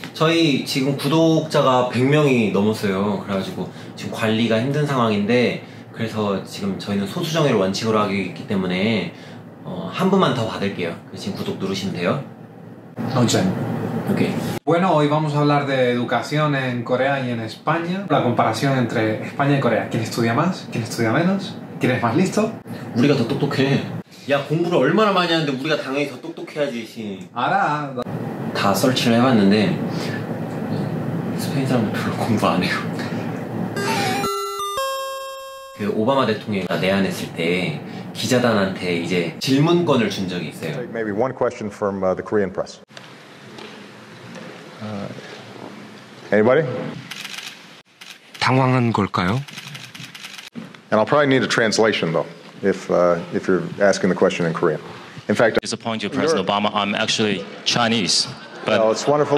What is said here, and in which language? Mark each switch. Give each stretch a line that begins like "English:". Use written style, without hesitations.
Korean: 저희 지금 구독자가 100명이 넘었어요. 그래가지고 지금 관리가 힘든 상황인데, 그래서 지금 저희는 소수정예를 원칙으로 하기 때문에 한 분만 더 받을게요. 지금 구독 누르시면 돼요. 넌쟁.
English: Okay.
Spanish: Bueno, hoy vamos a hablar de educación en Corea y en España. La comparación entre España y Corea. ¿Quién estudia más? ¿Quién estudia menos? ¿Quién es más listo?
Korean: 우리가 더 똑똑해. 야, 공부를 얼마나 많이 하는데 우리가 당연히 더 똑똑해야지. 알아. 다 설치를 해봤는데 스페인 사람들 별로 공부 안 해요. 그 오바마 대통령이 내한했을 때 기자단한테 이제 질문권을 준 적이 있어요.
English: Maybe one question from the Korean press. Anybody?
Korean: 당황한 걸까요?
English: And I'll probably need a translation though, if you're asking the question in Korean. In fact, disappoint you, President Obama. I'm actually Chinese, but well, it's wonderful.